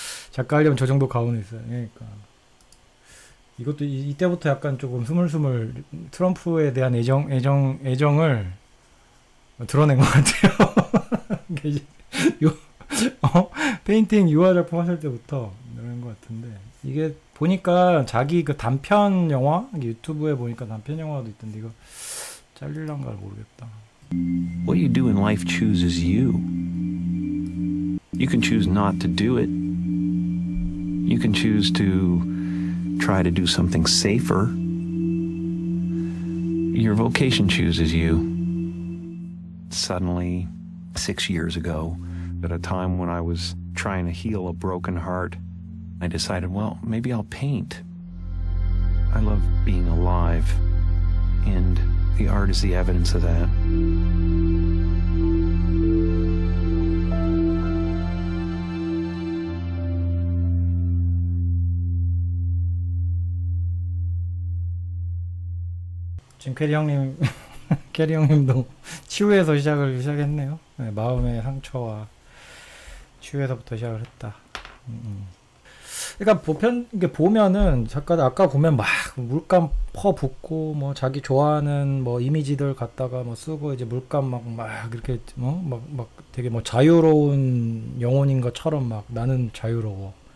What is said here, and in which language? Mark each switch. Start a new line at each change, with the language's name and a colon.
Korean: 작가하려면 저 정도 가훈이 있어야 되니까. 이것도 이때부터 약간 조금 스물스물 트럼프에 대한 애정을 드러낸 것 같아요. 페인팅 유화 작품 하실 때부터 그런 것 같은데. 이게 보니까 자기 그 단편 영화? 유튜브에 보니까 단편 영화도 있던데 이거 잘릴란가 모르겠다.
English: What you do in life chooses you. You can choose not to do it. You can choose to try to do something safer. Your vocation chooses you. Suddenly, 6 years ago, at a time when I was trying to heal a broken heart, I decided, well, maybe I'll paint. I love being alive, and the art is the evidence of that.
Korean: Jim Carrey 형님. 캐리 형님도 치유에서 시작했네요. 네, 마음의 상처와 치유에서부터 시작을 했다. 그러니까 보면은 작가들 아까 보면 막 물감 퍼붓고 뭐 자기 좋아하는 뭐 이미지들 갖다가 뭐 쓰고 이제 물감 막 이렇게 뭐막막 되게 뭐 자유로운 영혼인 것처럼 막 나는 자유로워.